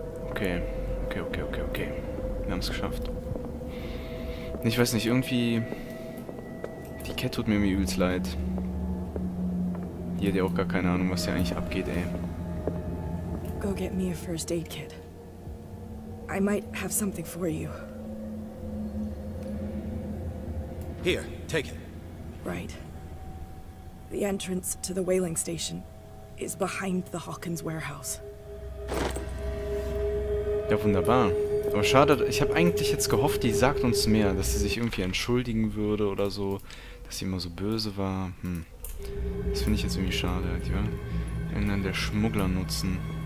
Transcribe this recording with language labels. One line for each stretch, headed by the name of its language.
German: Okay. Okay, okay, okay, okay. Wir haben es geschafft. Ich weiß nicht, irgendwie... Die Cat tut mir übelst leid. Die hat ja auch gar keine Ahnung, was hier eigentlich abgeht, ey.
English: Go get me a first aid kit. I might have something for you. Here, take it. Right. The entrance to the whaling station is behind the Hawkins warehouse.
German: Ja, wunderbar. Aber schade, ich habe eigentlich jetzt gehofft, die sagt uns mehr, dass sie sich irgendwie entschuldigen würde oder so, dass sie immer so böse war. Hm. Das finde ich jetzt irgendwie schade, ja? Wenn dann der Schmuggler nutzen.